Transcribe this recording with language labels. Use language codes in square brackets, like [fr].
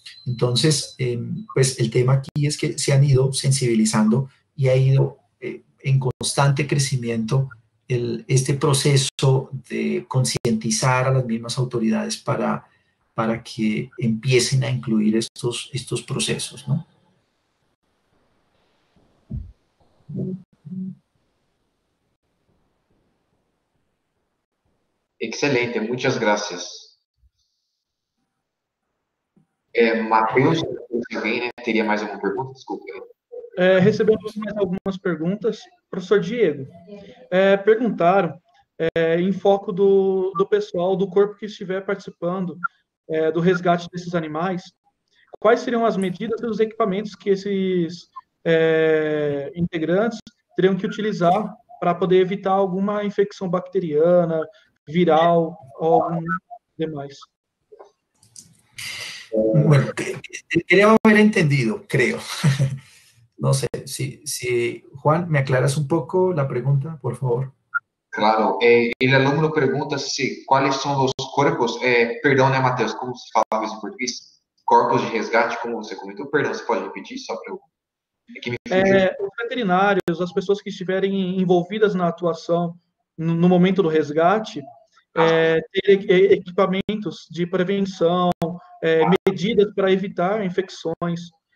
[es] Entonces, pues el tema aquí es que se han ido sensibilizando y ha ido en constante crecimiento este proceso de concientizar a las mismas autoridades para que empiecen a incluir estos procesos, ¿no? Excelente, muchas gracias. [pt] Matheus, alguém, né, teria mais alguma pergunta? Desculpa. Recebemos mais algumas perguntas. Professor Diego, perguntaram, em foco do pessoal, do corpo que estiver participando do resgate desses animais, quais seriam as medidas e os equipamentos que esses integrantes teriam que utilizar para poder evitar alguma infecção bacteriana, viral ou algum demais? [es] Bueno, quería haber entendido, creo. No sé, si Juan, ¿me aclaras un poco la pregunta, por favor? Claro, el alumno pregunta si, ¿cuáles son los cuerpos? Perdón, Mateus, ¿cómo se fala en portugués? [pt] Corpos de resgate, como você comentou, perdão, você pode repetir só para eu... Os veterinários, as pessoas que estiverem envolvidas na atuação no momento do resgate, ter equipamentos de prevenção, medidas para evitar infecções.